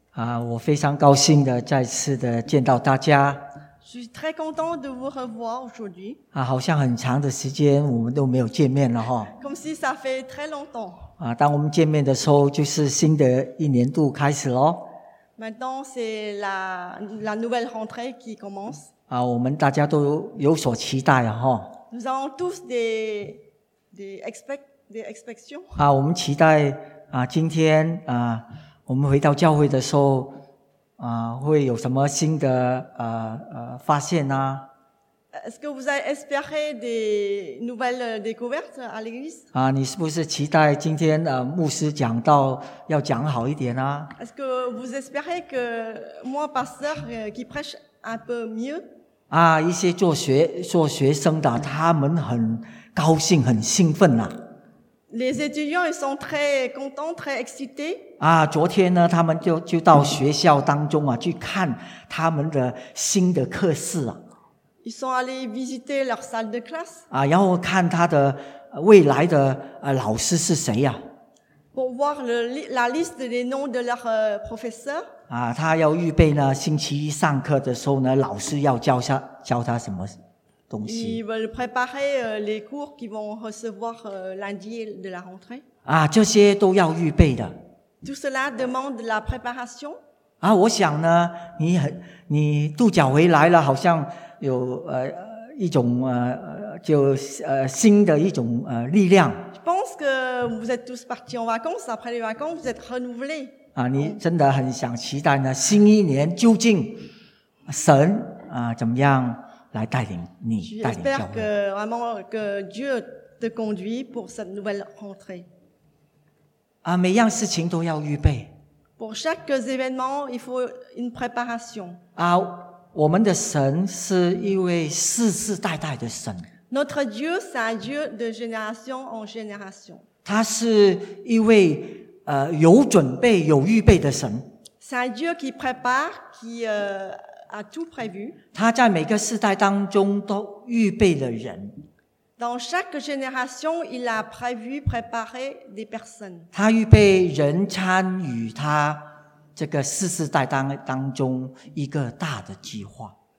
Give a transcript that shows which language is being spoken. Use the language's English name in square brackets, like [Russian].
[Chinese] 啊，我非常高兴的再次的见到大家。 [French] Je suis très content de vous revoir aujourd'hui. [Chinese] 啊，好像很长的时间我们都没有见面了哈。 [French] Comme si ça fait très longtemps. [Chinese] 啊，当我们见面的时候，就是新的一年度开始喽。 [French] Maintenant, c'est la nouvelle rentrée qui commence. [Chinese] 啊，我们大家都有所期待哈。 [French] Nous avons tous des expectations. [Chinese] 啊，我们期待啊，今天啊，我们回到教会的时候啊，会有什么新的发现啊 [French] ？Est-ce que vous avez espéré des nouvelles découvertes à l'église？ [Chinese] 啊，你是不是期待今天牧师讲到要讲好一点啊 [French] ？Est-ce que vous espérez que moi, pasteur, qui prêche un peu mieux？ [Chinese] 啊，一些做学生的，他们很高兴，很兴奋呐、啊。 [French] Les étudiants ils sont très contents, très excités. [Chinese] 啊，昨天呢，他们就到学校当中啊，去看他们的新的课室啊。 [French] Ils sont allés visiter leur salle de classe. [Chinese] 啊，然后看他的未来的老师是谁呀、 [French] 啊、？Pour voir la liste des noms de leurs professeurs. [Chinese] 啊，他要预备呢，星期一上课的时候呢，老师要教他什么？ [French] Ils veulent préparer les cours qu'ils vont recevoir lundi de la rentrée. [Chinese] 啊，这些都要预备的。 [French] Tout cela demande la préparation. [Chinese] 啊，我想呢，你度假回来了，好像有一种就新的一种力量。 [French] Je pense que vous êtes tous partis en vacances. Après les vacances, vous êtes renouvelés. [Chinese] 啊，你真的很想期待呢，新一年究竟神啊怎么样？来带领你，带领教会。 [French] J'espère que vraiment que Dieu te conduit pour cette nouvelle rentrée. [Chinese] 啊，每样事情都要预备。 [French] Pour chaque événement, il faut une préparation. [Chinese] 啊，我们的神是一位世世代代的神。 [French] Notre Dieu c'est un Dieu de génération en génération. [Chinese] 他是一位有准备、有预备的神。 [French] C'est un Dieu qui prépare, qui a tout prévu. [Chinese] 他在每个世代当中都预备了人。 [French] Dans chaque génération, il a prévu, préparé des personnes. [Chinese] 他预备人参与他这个世世代当中一个大的计划。